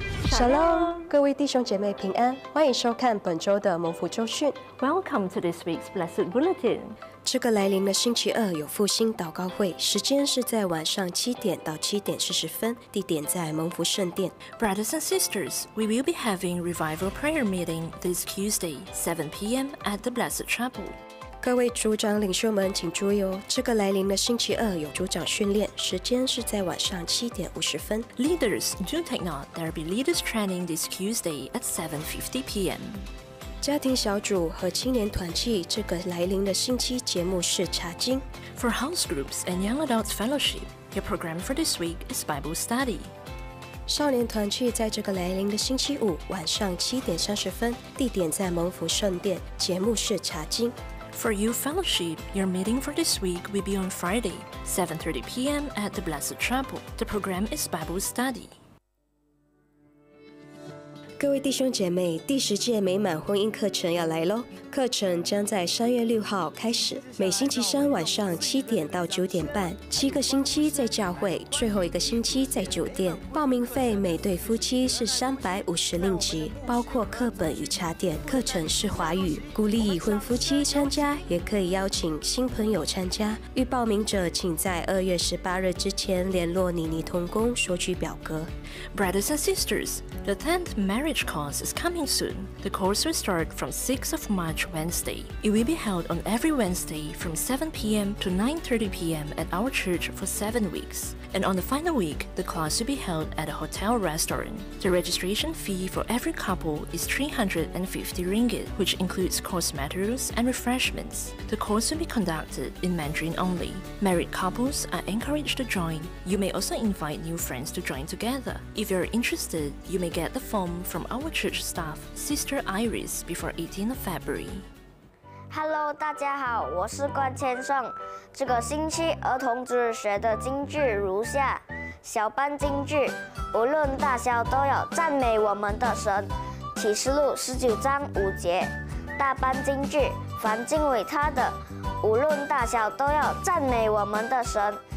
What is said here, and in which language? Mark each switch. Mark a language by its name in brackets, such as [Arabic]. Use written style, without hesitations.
[Chinese] Shalom， 各位弟兄姐妹平安，欢迎收看本周的蒙福周讯。 [English] Welcome to this week's Blessed Bulletin。 [Chinese] 这个来临的星期二有复兴祷告会，时间是在晚上7:00 to 7:40，地点在蒙福圣殿。 [English] Brothers and sisters, we will be having revival prayer meeting this Tuesday, 7 p.m. at the Blessed Chapel。 [Chinese] 各位主长领袖们请注意哦，这个来临的星期二有主长训练，时间是在晚上7:50。 [English] Leaders, do take note, there will be leaders training this Tuesday at 7:50 p.m. [Chinese] 家庭小组和青年团契这个来临的星期节目是查经。 [English] For house groups and young adults fellowship, your program for this week is Bible study. [Chinese] 少年团契在这个来临的星期五晚上7:30，地点在蒙福圣殿，节目是查经。 [English] For youth fellowship, your meeting for this week will be on Friday, 7:30 p.m. at the Blessed Chapel. The program is Bible study. [Chinese] 各位弟兄姐妹，第十届美满婚姻课程要来咯，课程将在3月6号开始，每星期三晚上7:00 to 9:30，7个星期在教会，最后一个星期在酒店。报名费每对夫妻是350令吉，包括课本与茶点，课程是华语，鼓励已婚夫妻参加，也可以邀请新朋友参加。预报名者请在2月18日之前联络妮妮同工索取表格。 [English] Brothers and sisters, the 10th marriage course is coming soon. The course will start from 6th of March, Wednesday. It will be held on every Wednesday from 7 p.m. to 9:30 p.m. at our church for 7 weeks. And on the final week, the class will be held at a hotel restaurant. The registration fee for every couple is 350 ringgit, which includes course materials and refreshments. The course will be conducted in Mandarin only. Married couples are encouraged to join. You may also invite new friends to join together. If you're interested, you may get the form from our church staff, Sister Iris, before 18th of February. [Chinese] Hello, 大家好，我是关千颂。这个星期儿童主日学的金句如下：小班金句，无论大小都要赞美我们的神。启示录19:5。大班金句，凡敬畏他的，无论大小都要赞美我们的神。